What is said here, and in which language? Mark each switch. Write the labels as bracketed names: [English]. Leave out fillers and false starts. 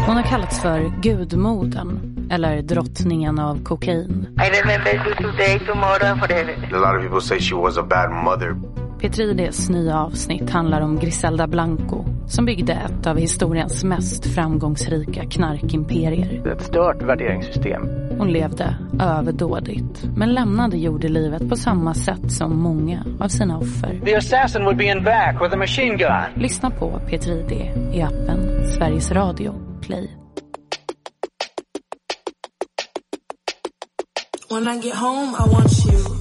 [Swedish] kallats för gudmodern eller drottningen av kokain. [English] I remember to today, tomorrow, forever. A lot of people say she was a bad mother. [Swedish] Petrides nya avsnitt handlar om Griselda Blanco, som byggde ett av historiens mest framgångsrika knarkimperier. Ett stört värderingssystem. Hon levde överdådigt, men lämnade jordelivet på samma sätt som många av sina offer. [English] The assassin would be in back with a machine gun. [Swedish] Lyssna på P3D i appen Sveriges Radio Play. [English] When I get home, I want you.